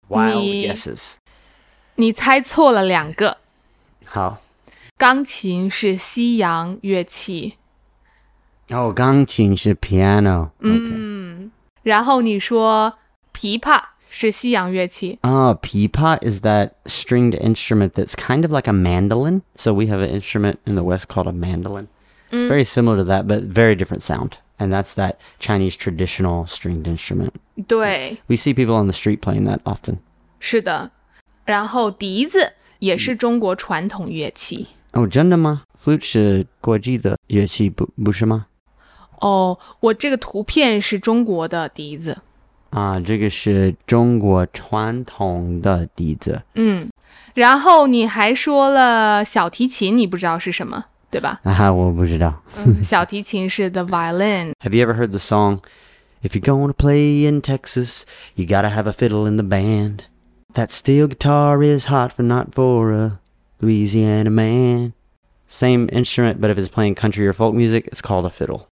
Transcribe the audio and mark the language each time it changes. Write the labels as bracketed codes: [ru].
[en] Wild guesses. [zh] 你猜错了两个。好。钢琴是西洋乐器。哦，钢琴是 piano。嗯。然后你说琵琶是西洋乐器。 [en] Oh, pipa is that stringed instrument that's kind of like a mandolin. So we have an instrument in the West called a mandolin. It's very similar to that, but very different sound. And that's that Chinese traditional stringed instrument. [zh] 对。 [en] We see people on the street playing that often. [zh] 是的。然后笛子也是中国传统乐器。哦，真的吗？Flute 是国际的乐器，不是吗？哦，我这个图片是中国的笛子。啊，这个是中国传统的笛子。嗯，然后你还说了小提琴，你不知道是什么，对吧？啊，我不知道。嗯，小提琴是 [en] the violin。 Have you ever heard the song, If you're gonna play in Texas, you gotta have a fiddle in the band. That steel guitar is hot for not for a Louisiana man. Same instrument, but if it's playing country or folk music, it's called a fiddle.